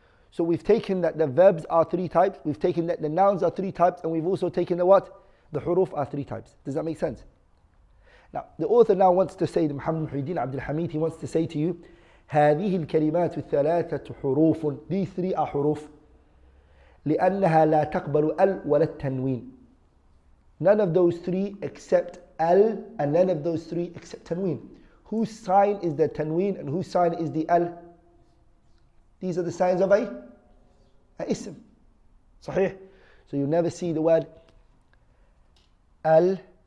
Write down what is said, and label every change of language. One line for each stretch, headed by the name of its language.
English: So we've taken that the verbs are three types, we've taken that the nouns are three types, and we've also taken the what? The huruf are three types. Does that make sense? Now, the author now wants to say, Muhammad Muhyiddin Abdul Hamid, he wants to say to you,
Arabic: هذه الكلمات الثلاثة حروف.
English: These three are huruf.
Arabic: لأنها لا تقبل ال ولا التنوين.
English: None of those three except ال, and none of those three except تنوين. Whose sign is the تنوين and whose sign is the ال? These are the signs of a ism. Sahih. So you never see the word al-min.